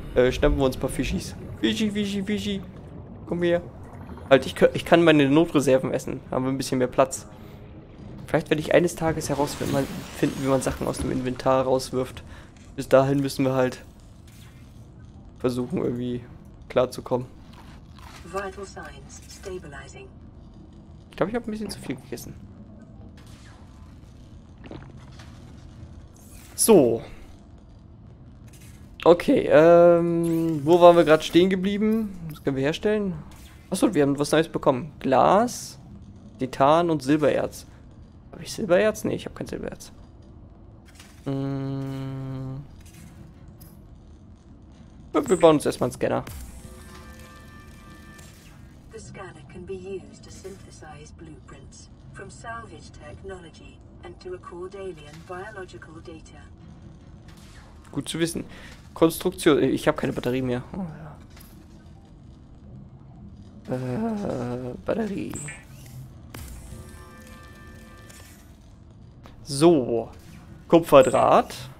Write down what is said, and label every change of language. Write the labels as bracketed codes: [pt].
[de] Schnappen wir uns ein paar Fischis. Fischi. Komm her. Halt, ich kann meine Notreserven essen. Haben wir ein bisschen mehr Platz. Vielleicht werde ich eines Tages herausfinden, wie man Sachen aus dem Inventar rauswirft. Bis dahin müssen wir halt versuchen, irgendwie klarzukommen. [en] Vital signs stabilizing. [de] Ich glaube, ich habe ein bisschen zu viel gegessen. So. Okay, wo waren wir gerade stehen geblieben? Was können wir herstellen? Achso, wir haben was Neues bekommen. Glas, Titan und Silbererz. Habe ich Silbererz? Nee, ich habe kein Silbererz. Wir bauen uns erstmal einen Scanner. [en] Be used to synthesize blueprints from salvage technology and to record alien biological data. [de] Gut zu wissen. Konstruktion. Ich habe keine Batterie mehr. Oh, ja. Batterie. So. Kupferdraht.